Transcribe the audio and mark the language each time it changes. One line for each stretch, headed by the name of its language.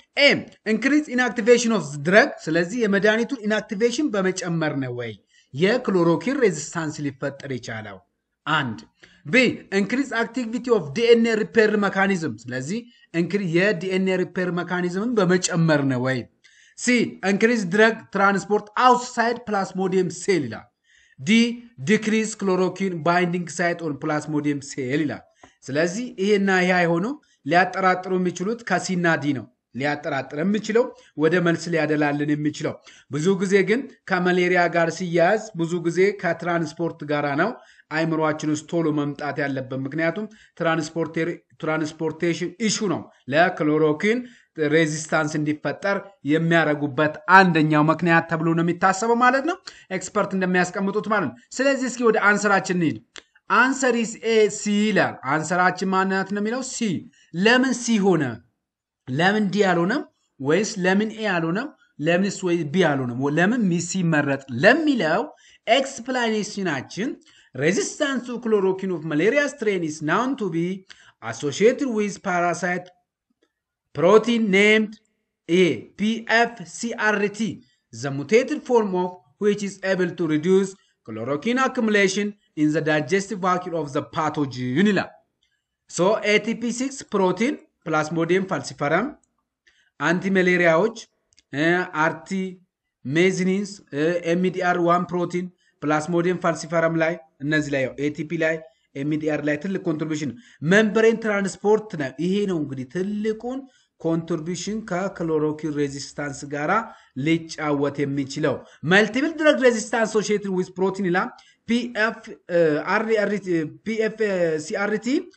English: ኤም ኢንክሪዝ ኢንአክቲቬሽን ኦፍ ድረግ
Amharic: ስለዚህ የመድኃኒቱ ኢንአክቲቬሽን በመጨመር ነው ወይ የክሎሮኪን ሬዚስታንስ ሊፈጠር ይችላል?
English: And B, increase activity of DNA repair mechanisms.
Amharic: ስለዚህ increase የ DNA repair mechanism በመጨመር ነው ወይ?
English: C, increase drug transport outside plasmodium cell
Amharic: ላ።
English: D, decrease chloroquine binding site on plasmodium cell
Amharic: ላ። ስለዚህ ይሄና ይሄ አይሆኑ ሊያጠራጥሩ የሚችሉት ካሲና ዲ ነው። ሊያጠራጥር የሚችለው ወደ መልስ ሊያደላልን የሚችለው ብዙ ጊዜ ግን ከማሌሪያ ጋር ሲያያዝ ብዙ ጊዜ ከትራንስፖርት ጋራ ነው አይምሮአችን ውስጥ ቶሎ መምጣት ያለበት። ምክንያቱም ትራንስፖርቴሽን ኢሹ ነው ለክሎሮኪን ሬዚስታንስ እንዲፈጠር የሚያረጉበት አንደኛው ምክንያት ተብሎ ነው የሚታሰበው ማለት ነው። ኤክስፐርት እንደሚያስቀምጡት ማለት ነው። ስለዚህ እስኪ ወደ አንሰራችን እንሂድ።
English: አንሰር ኢስ ኤ ሲ
Amharic: ላ አንሰራችን ማነት ነው የሚለው ሲ። ለምን ሲ ሆነ? ለምን ዲ አልሆነም ወይስ ለምን ኤ አልሆነም ለምንስ ወይ ቢ አልሆነም ለምን ሚሲ መረጥ ለሚለው ኤክስፕላኔሽናችን
English: resistance to chloroquine of malaria strain is known to be associated with parasite protein named PFCRT, the mutated form of which is able to reduce chloroquine accumulation in the digestive vacuole of the pathogen. So ATP6 protein, plasmodium falciparum, anti-malaria ouch, artemisinins, MDR1 protein, plasmodium falciparum ላይ እነዚህ ላይ ATP ላይ MDR ላይ ትልቁ ኮንትሪቢሽን membrane transport ነው።
Amharic: ይሄ ነው እንግዲህ ትልቁ ኮንትሪቢሽን ከክሎሮኪን ሬዚስታንስ ጋራ ሊጫወት የሚችለው።
English: multiple drug resistance associated with protein ላ PFCRT